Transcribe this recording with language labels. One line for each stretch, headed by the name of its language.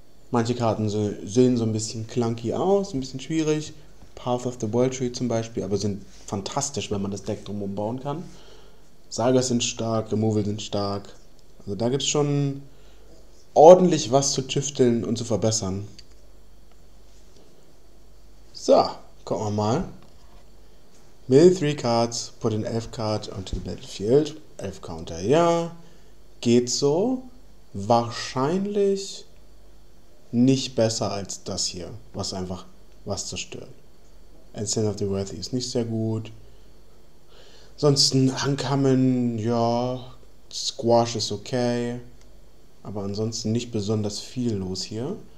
German: Manche Karten sehen so ein bisschen clunky aus, ein bisschen schwierig. Path of the World Tree zum Beispiel, aber sind fantastisch, wenn man das Deck drumherum bauen kann. Sagas sind stark, Removal sind stark. Also da gibt es schon ordentlich was zu tüfteln und zu verbessern. So, gucken wir mal.
English: Mill 3 Cards, put an 11 Card onto the Battlefield.
German: 11 Counter, ja. Geht so. Wahrscheinlich nicht besser als das hier, was einfach was zerstört. Ascent of the Worthy ist nicht sehr gut. Sonst ein Uncommon, ja. Squash ist okay. Aber ansonsten nicht besonders viel los hier.